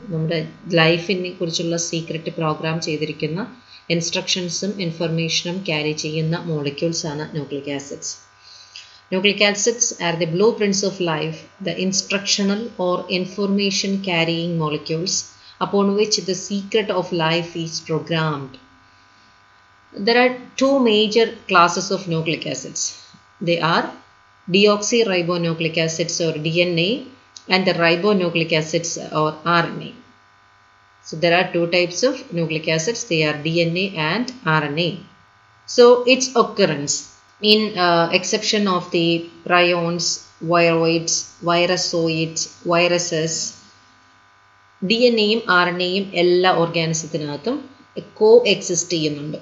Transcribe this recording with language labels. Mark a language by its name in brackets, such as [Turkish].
[Malayalam] നമ്മുടെ ലൈഫിനെ കുറിച്ചുള്ള സീക്രട്ട് പ്രോഗ്രാം ചെയ്തിരിക്കുന്ന ഇൻസ്ട്രക്ഷൻസും ഇൻഫർമേഷനും ക്യാരി ചെയ്യുന്ന മോളിക്യൂൾസാണ് nucleic acids. [English] Nucleic acids are the blueprints of life, the instructional or information carrying molecules upon which the secret of life is programmed. There are two major classes of nucleic acids. They are deoxyribonucleic acids or DNA and the ribonucleic acids or RNA. So there are two types of nucleic acids. They are DNA and RNA. So its occurrence, in exception of the prions, viroids, virusoids, viruses, [Malayalam] ഡിഎൻഎയും ആർഎൻഎയും എല്ലാ ഓർഗാനിസത്തിനകത്തും കോ exist ചെയ്യുന്നുണ്ട്.